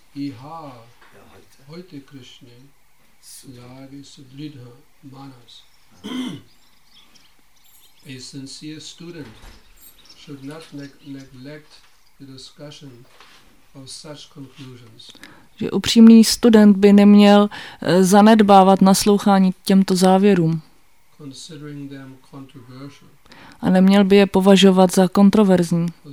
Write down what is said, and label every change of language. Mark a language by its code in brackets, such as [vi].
[bn] Iha Hoite Krishna Slavi Sudridha Manas. [en] A sincere student should not neglect the discussion of such conclusions. [cs] Že upřímný student by neměl zanedbávat naslouchání těmto závěrům. [en] Considering them controversial. [cs] A neměl by je považovat za kontroverzní.